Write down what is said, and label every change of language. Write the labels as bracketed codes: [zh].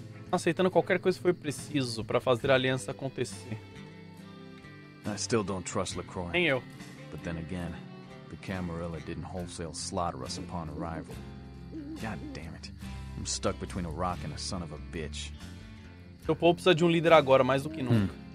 [pt] Aceitando qualquer coisa que foi preciso para fazer a aliança acontecer. [en] I still don't trust LaCroix. [pt] Nem eu. [en] But then again, the Camarilla didn't wholesale slaughter us upon arrival. God damn it. I'm stuck between a rock and a son of a bitch. [pt] Seu povo precisa de um líder agora, mais do que nunca.